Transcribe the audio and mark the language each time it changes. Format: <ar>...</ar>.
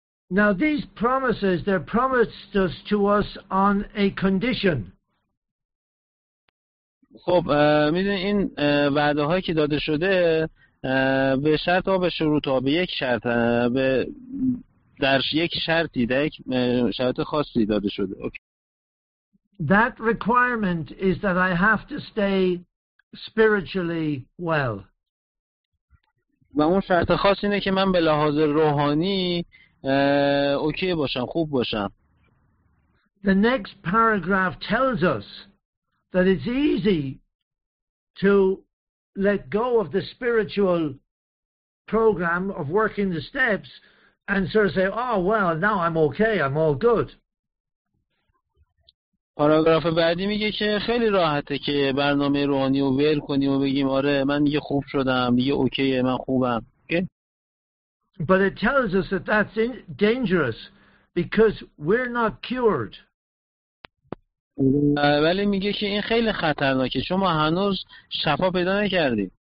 <en>Now these promises, they're promised to us on a condition.</en> <fa>خب میدونین این وعده هایی که داده شده به شرط ها، به شروط ها، به یک شرط، به در یک شرطی، در یک شرط خاصی داده شده.</fa> <en>Okay. That requirement is that I have to stay spiritually well.</en> <fa>و اون شرط خاص اینه که من به لحاظ روحانی اوکی باشم، خوب باشم.</fa> <en>The next paragraph tells us that it's easy to let go of the spiritual program of working the steps and sort of say, oh, well, now I'm okay, I'm all good.</en> <fa>پاراگراف بعدی میگه که خیلی راحته که برنامه روحانی رو ول کنیم و بگیم آره من دیگه خوب شدم، دیگه اوکیه، من خوبم.</fa> <en>Okay? But it tells us that that's dangerous because we're not cured.</en> <fa>ولی میگه که این خیلی خطرناکه چون ما هنوز شفا پیدا نکردیم.</fa>